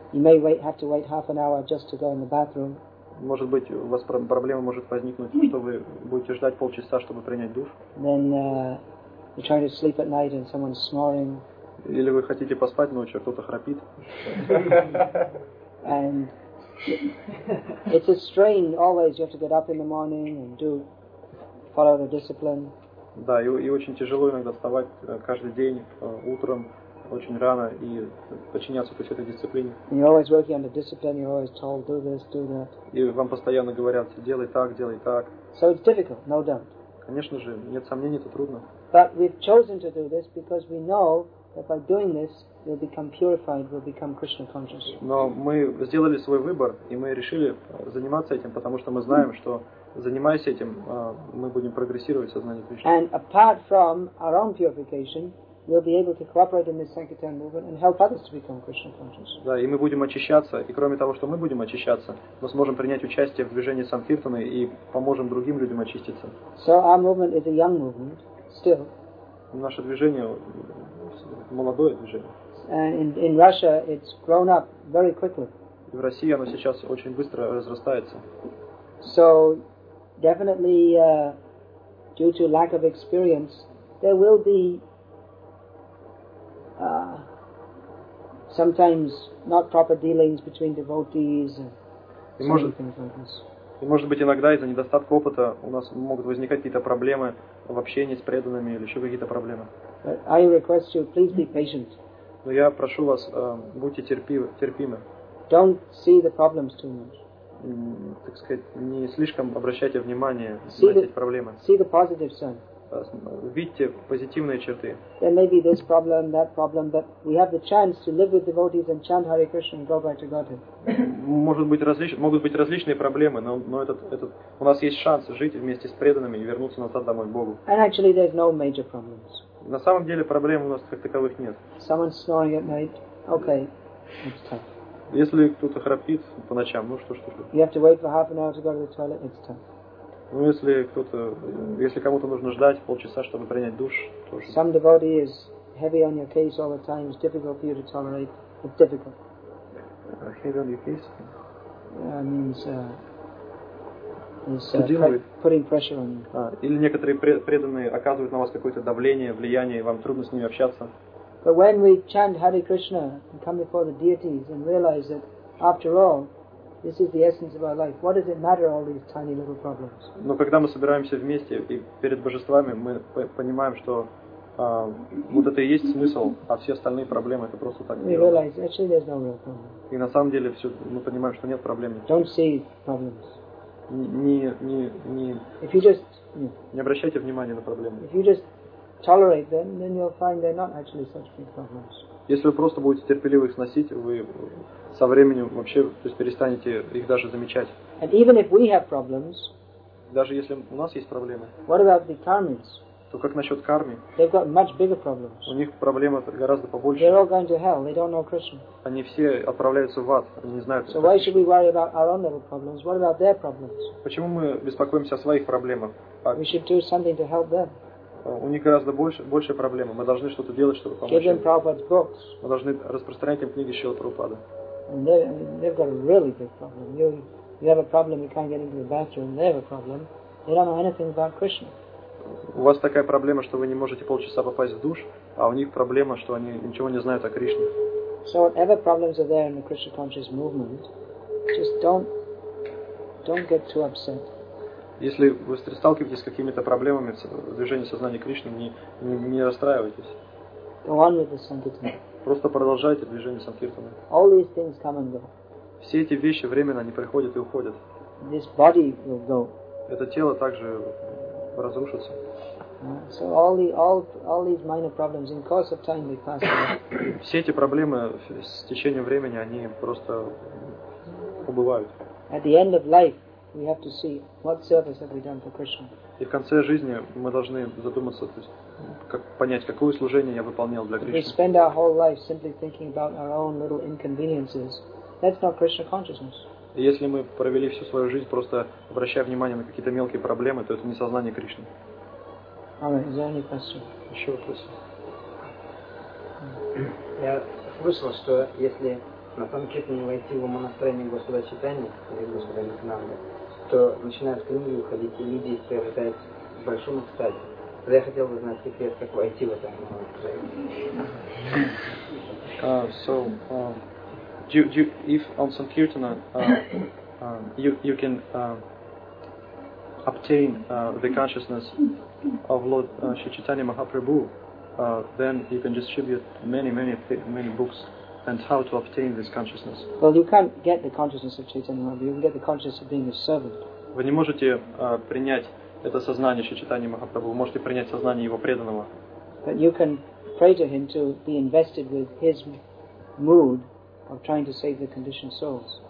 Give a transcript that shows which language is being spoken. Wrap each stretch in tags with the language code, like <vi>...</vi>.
<en>You may have to wait half an hour just to go in the bathroom.</en> <ru>Может быть, у вас проблема может возникнуть, что вы будете ждать полчаса, чтобы принять душ.</ru> <en>Then you're trying to sleep at night and someone's snoring.</en> <ru>Или вы хотите поспать ночью, а кто-то храпит.</ru> <en>And it's a strain always. You have to get up in the morning and do follow the discipline.</en> <ru>Да, и очень тяжело иногда вставать каждый день утром очень рано и подчиняться то есть этой дисциплине.</ru> <en>You're always working under discipline. You're always told do this, do that.</en> <ru>И вам постоянно говорят делай так, делай так.</ru> <en>So it's difficult, no doubt.</en> <ru>Конечно же, нет сомнений, это трудно.</ru> <en>But we've chosen to do this because we know that by doing this we'll become purified, we'll become Krishna conscious.</en> <ru>Но мы сделали свой выбор и мы решили заниматься этим, потому что мы знаем, что занимаясь этим, мы будем прогрессировать в сознании Кришны.</ru> <en>And apart from our own purification, we'll be able to cooperate in this Sankirtan movement and help others to become Krishna conscious.</en> <ru>Да, и мы будем очищаться, и кроме того, что мы будем очищаться, мы сможем принять участие в движении Санкиртаны и поможем другим людям очиститься.</ru> <en>So our movement is a young movement, still.</en> <ru>Наше движение молодое движение.</ru> <en>And in Russia, it's grown up very quickly.</en> <ru>И в России оно сейчас очень быстро разрастается.</ru> <en>So, definitely, due to lack of experience, there will be sometimes not proper dealings between devotees and certain things like this.</en> <ru>И может быть иногда из-за недостатка опыта у нас могут возникать какие-то проблемы в общении с преданными или еще какие-то проблемы.</ru> <en>But I request you, please be patient.</en> <ru>Но я прошу вас, будьте терпимы.</ru> <en>Don't see the problems too much.</en> <ru>Так сказать, не слишком обращайте внимание на эти проблемы.</ru> <en>See the positive side.</en> <ru>Видите позитивные черты.</ru> <en>There may be this problem, that problem, but we have the chance to live with devotees and chant Hare Krishna and go back to Godhead.</en> <ru>Могут быть различные проблемы, но этот у нас есть шанс жить вместе с преданными и вернуться назад домой к Богу.</ru> <en>And actually, there's no major problems.</en> <ru>На самом деле проблем у нас как таковых нет.</ru> <en>Someone's snoring at night. Okay, it's tough.</en> <ru>Если кто-то храпит по ночам, ну что ж.</ru> <en>You have to wait for half an hour to go to the toilet. It's tough.</en> <ru>Ну если кому-то нужно ждать полчаса, чтобы принять душ, тоже.</ru> <en>Some devotee is heavy on your case all the time. It's difficult for you to tolerate. It's difficult. Heavy on your case? Means to deal with. Putting pressure on you.</en> <ru>Или некоторые преданные оказывают на вас какое-то давление, влияние, и вам трудно с ними общаться.</ru> <en>But when we chant Hare Krishna and come before the deities and realize that, after all, this is the essence of our life, what does it matter all these tiny little problems?</en> <ru>Но когда мы собираемся вместе и перед божествами, мы понимаем, что вот это и есть смысл, а все остальные проблемы это просто так.</ru> <en>We realize actually there's no real problem.</en> <ru>И на самом деле все мы понимаем, что нет проблем.</ru> <en>Don't see problems.</en> <ru>Не.</ru> <en>If you just</en> <ru>не обращайте внимания на проблемы.</ru> <en>If you just tolerate them, then you'll find they're not actually such big problems.</en> <ru>Если вы просто будете терпеливо их сносить, вы со временем вообще, то есть перестанете их даже замечать.</ru> <en>And even if we have problems,</en> <ru>даже если у нас есть проблемы,</ru> <en>what about the karmis?</en> <ru>То как насчет кармы?</ru> <en>They've got much bigger problems.</en> <ru>У них проблема гораздо побольше.</ru> <en>They're all going to hell. They don't know Krishna.</en> <ru>Они все отправляются в ад. Они не знают.</ru> <en>So why should we worry about our own little problems? What about their problems?</en> <ru>Почему мы беспокоимся о своих проблемах?</ru> <en>We should do something to help them.</en> <ru>У них гораздо больше проблемы. Мы должны что-то делать, чтобы помочь.</ru> <en>Give them Prabhupada's books.</en> <ru>Мы должны распространять им книги Шрилы Прабхупады.</ru> <en>And they've got a really big problem. You have a problem, you can't get into the bathroom. They have a problem. They don't know anything about Krishna.</en> <ru>У вас такая проблема, что вы не можете полчаса попасть в душ, а у них проблема, что они ничего не знают о Кришне.</ru> <en>So whatever problems are there in the Krishna conscious movement, just don't get too upset.</en> <ru>Если вы сталкиваетесь с какими-то проблемами в движении сознания Кришны, не расстраивайтесь.</ru> <en>Go on with the Sankirtana.</en> <ru>Просто продолжайте движение Санкиртаны.</ru> <en>All these things come and go.</en> <ru>Все эти вещи временно, они приходят и уходят.</ru> <en>This body will go.</en> <ru>Это тело также разрушится.</ru> <en>So all these minor problems in course of time they pass away.</en> <ru>Все эти проблемы с течением времени, они просто убывают.</ru> <en>At the end of life, we have to see what service have we done for Krishna.</en> <ru>И в конце жизни мы должны задуматься, то есть как понять, какое служение я выполнял для Кришны.</ru> <en>If we spend our whole life simply thinking about our own little inconveniences, that's not Krishna consciousness.</en> <ru>И если мы провели всю свою жизнь просто обращая внимание на какие-то мелкие проблемы, то это не сознание Кришны.</ru> <en>All right, is there any question?</en> <ru>Еще вопросы? Я слышал, что если на санкиртане войти в монастырь Господа Читания или Господа Нитинанды, то начинают книги выходить, и люди приобретают в большом экстазе. Тогда я хотел бы знать секрет, как войти в этот монастырь.</ru> <en>If on Sankirtana you can obtain the consciousness of Lord Sri Chaitanya Mahaprabhu, then you can distribute many books. And how to obtain this consciousness? Well, you can't get the consciousness of Chaitanya Mahaprabhu. You can get the consciousness of being his servant.</en> <ru>Вы не можете принять это сознание Шри Чайтаньи Махапрабху. Вы можете принять сознание его преданного.</ru> <en>But you can pray to him to be invested with his mood of trying to save the conditioned souls.</en>